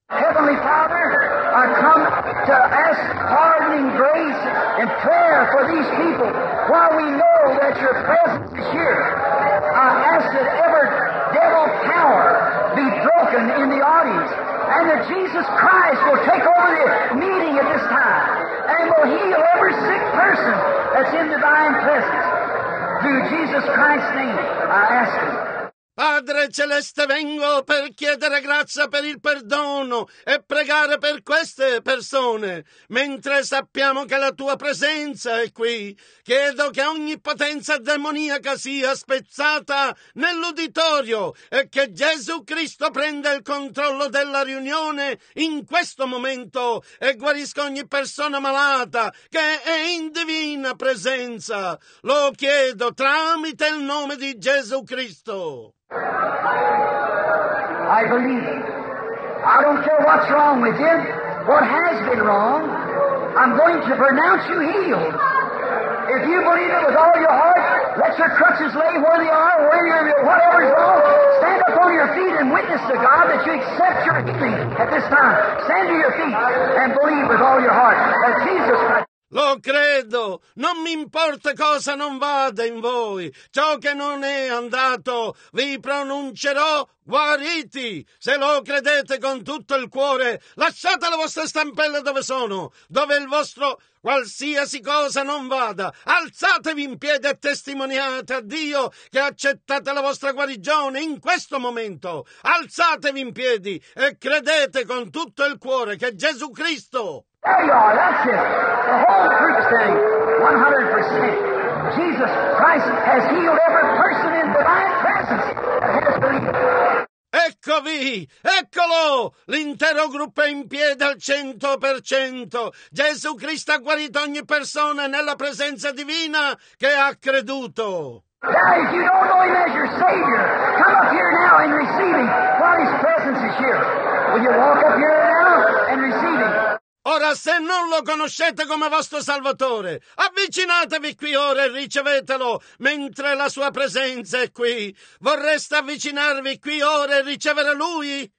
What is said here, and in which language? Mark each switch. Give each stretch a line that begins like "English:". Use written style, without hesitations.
English: Heavenly Father, I come to ask pardoning grace and prayer for these people while we know that your presence is here. I ask that every devil power be broken in the audience and that Jesus Christ will take over the meeting at this time and will heal every sick person that's in divine presence. Through Jesus Christ's name, I ask him.
Italian: Padre Celeste, vengo per chiedere grazia per il perdono e pregare per queste persone. Mentre sappiamo che la tua presenza è qui, chiedo che ogni potenza demoniaca sia spezzata nell'uditorio e che Gesù Cristo prenda il controllo della riunione in questo momento e guarisca ogni persona malata che è in divina presenza. Lo chiedo tramite il nome di Gesù Cristo.
English: I believe. I don't care what's wrong with you, what has been wrong. I'm going to pronounce you healed. If you believe it with all your heart, let your crutches lay where they are, where you're, whatever's wrong. Stand up on your feet and witness to God that you accept your healing at this time. Stand to your feet and believe with all your heart that Jesus Christ.
Italian: Lo credo, non mi importa cosa non vada in voi, ciò che non è andato, vi pronuncerò guariti. Se lo credete con tutto il cuore, lasciate le vostre stampelle dove sono, dove il vostro qualsiasi cosa non vada. Alzatevi in piedi e testimoniate a Dio che accettate la vostra guarigione in questo momento. Alzatevi in piedi e credete con tutto il cuore che Gesù Cristo...
English: There you are, that's it. The whole group thing, 100%. Jesus Christ has healed every person in divine presence that has believed.
Italian: Eccovi, eccolo, l'intero gruppo è in piedi al 100%. Gesù Cristo ha guarito ogni persona nella presenza divina che ha creduto.
English: Now, if you don't know him as your Savior, come up here now and receive him while his presence is here. Will you walk up here now and receive him?
Italian: Ora, se non lo conoscete come vostro Salvatore, avvicinatevi qui ora e ricevetelo, mentre la sua presenza è qui. Vorreste avvicinarvi qui ora e ricevere Lui?